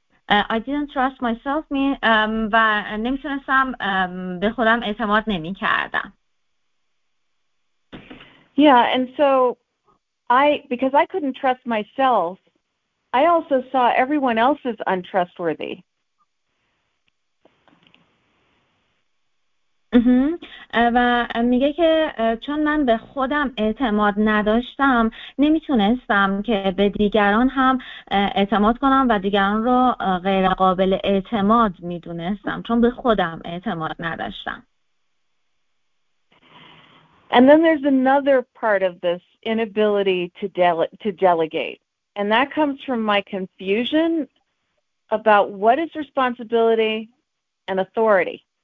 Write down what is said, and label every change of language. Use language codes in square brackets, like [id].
[en] I didn't trust myself [fa] و نمیتونستم به خودم اعتماد نمی کردم. [en] Yeah, and so because I couldn't trust myself, I also saw everyone else as untrustworthy. [fa] و میگه که چون من به خودم اعتماد نداشتم نمیتونستم که به دیگران هم اعتماد کنم و دیگران رو غیر قابل اعتماد میدونستم چون به خودم اعتماد نداشتم. [en] And then there's another part of this inability to delegate. And that comes from my confusion about what is responsibility and authority.